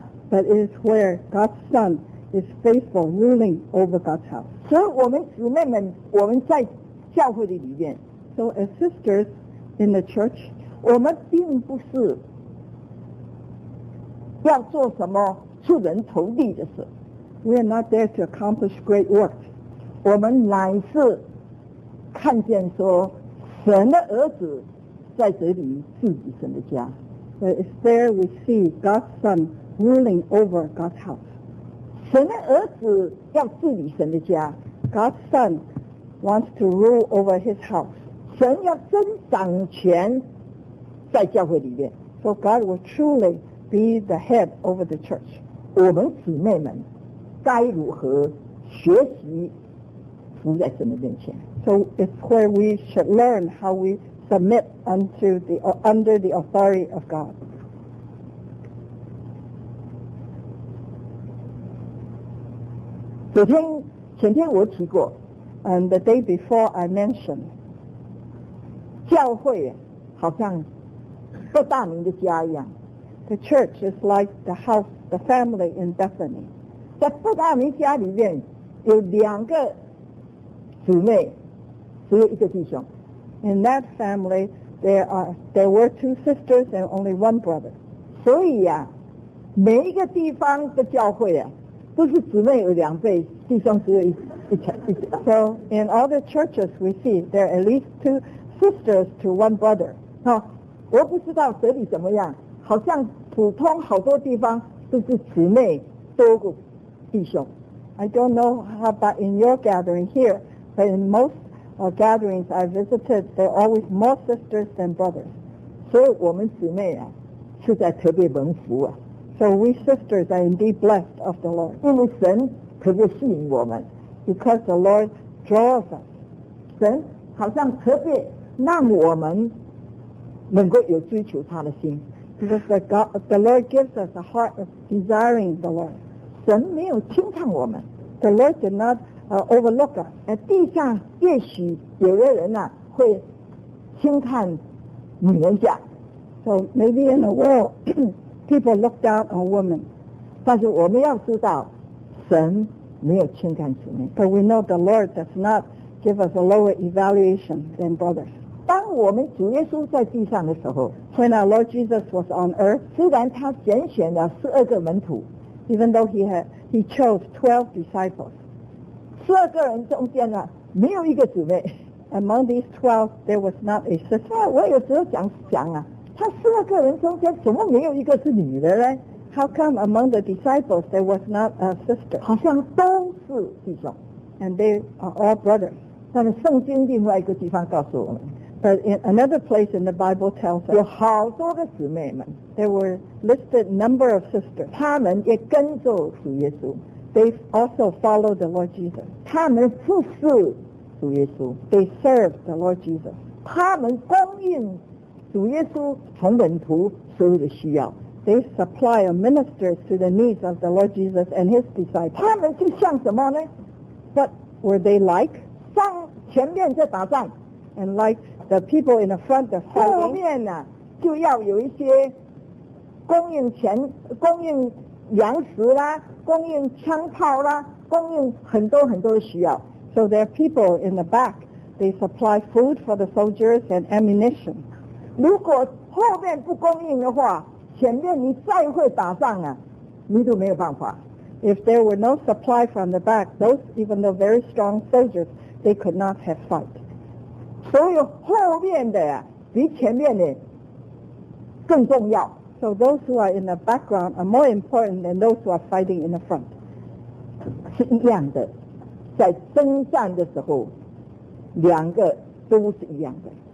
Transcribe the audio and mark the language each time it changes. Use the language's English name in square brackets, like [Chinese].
[English] But it is where God's Son is faithful ruling over God's house. [Chinese] 所以我们姊妹们我们在教会的里面 [English] So as sisters in the church [Chinese] 我们并不是要做什么出人头地的事 [English] We are not there to accomplish great works. [Chinese] 我们乃是看见说神的儿子在这里治理神的家 [English] But it's there we see God's Son ruling over God's house. [Chinese] 神的儿子要治理神的家。 [English] God's Son wants to rule over his house. [Chinese] 神要真掌权在教会里面。 [English] So God will truly be the head over the church. [Chinese] 我们姊妹们该如何学习服在神的面前。 [English] So it's where we should learn how we... Submit unto the, under the authority of God. [Chinese] 昨天前天我提过 [English] and the day before I mentioned, [Chinese] 教会好像做大明的家一样 [English] The church is like the house, the family in Bethany. [Chinese] 在做大明家里面有两个姊妹只有一个弟兄 [English] In that family, there were two sisters and only one brother. [Chinese] 所以啊，每一个地方的教会啊，都是姊妹有两倍，弟兄只有一条。 [English] So in all the churches we see, there are at least two sisters to one brother. [Chinese] 哦，我不知道这里怎么样，好像普通好多地方都是姊妹多过弟兄。 [English] I don't know how, but in your gathering here, but in most gatherings I visited, there are always more sisters than brothers. [Chinese] 所以我们姊妹啊，实在特别蒙福啊。 [English] So we sisters are indeed blessed of the Lord. [Chinese] 因为神特别吸引我们。 [English] Because the Lord draws us. [Chinese] 神好像特别让我们能够有追求他的心。 [English] Because the Lord gives us a heart of desiring the Lord. [Chinese] 神没有轻看我们。 [English] The Lord did not overlook us. [Chinese] 地上也许有的人啊会轻看女人家。 [English] So maybe in the world, people look down on women. [Chinese] 但是我们要知道神没有轻看姊妹。 [English] But we know the Lord does not give us a lower evaluation than brothers. [Chinese] 当我们主耶稣在地上的时候 [English] When our Lord Jesus was on earth [Chinese] 虽然他拣选了十二个门徒 [English] Even though he chose 12 disciples [Chinese] 十二个人中间呢没有一个姊妹 [English] Among these 12 there was not a sister [Chinese] 我也只有讲啊他十二个人中间怎么没有一个是女的呢 [English] How come among the disciples there was not a sister [Chinese] 好像都是弟兄 [English] And they are all brothers [Chinese] 但是圣经另外一个地方告诉我们 [English] But in another place in the Bible tells us [Chinese] 有好多个姊妹们 [English] There were listed number of sisters [Chinese] 她们也跟着主耶稣 [English] They also followed the Lord Jesus [Chinese] 她们服侍主耶稣 [English] They served the Lord Jesus [Chinese] 她们供应主耶稣从门徒所有的需要 [English] They supply or minister to the needs of the Lord Jesus and his disciples [Chinese] 她们是像什么呢 [English] What were they like? [Chinese] 上前面在打仗 [English] And like the people in the front of the house [Chinese] 后面呢、啊、就要有一些供应钱供应粮食啦供应枪炮啦供应很多很多的需要 [English] so there are people in the back they supply food for the soldiers and ammunition [Chinese] 如果后面不供应的话前面你再会打仗啊你都没有办法 [English] if there were no supply from the back those even the very strong soldiers they could not have fight [Chinese] 所以后面的比前面的更重要 [English] So those who are in the background are more important than those who are fighting in the front [Chinese] 是一样的在征战的时候两个都是一样的